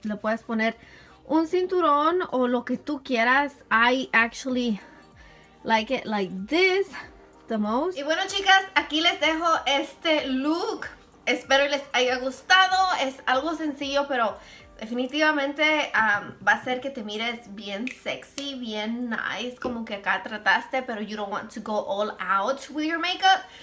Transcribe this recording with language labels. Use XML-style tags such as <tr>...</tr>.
<es>Le puedes poner un cinturón o lo que tú quieras.</es> <en>I actually like it like this the most.</en> <es>Y bueno, chicas, aquí les dejo este look. Espero les haya gustado. Es algo sencillo, pero definitivamente va a ser que te mires bien sexy, bien nice, como que acá trataste, pero</es> <en>you don't want to go all out with your makeup.</en>